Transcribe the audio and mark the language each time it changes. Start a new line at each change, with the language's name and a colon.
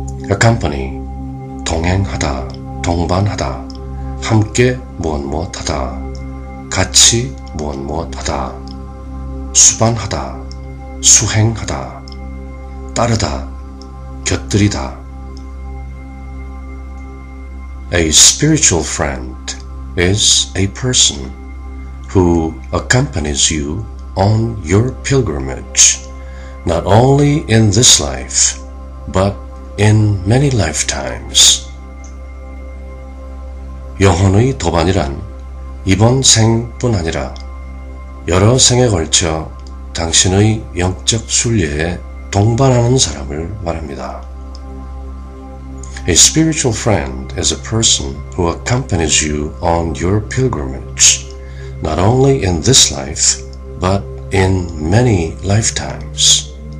Korean: Accompany, 동행하다, 동반하다, 함께 무언무엇하다, 같이 무언무엇하다, 수반하다, 수행하다, 따르다, 곁들이다.
English: A spiritual friend is a person who accompanies you on your pilgrimage, not only in this life, but in many lifetimes.
Korean: 영혼의 도반이란 이번 생뿐 아니라 여러 생에 걸쳐 당신의 영적 순례에 동반하는 사람을 말합니다.
English: A spiritual friend is a person who accompanies you on your pilgrimage, not only in this life, but in many lifetimes.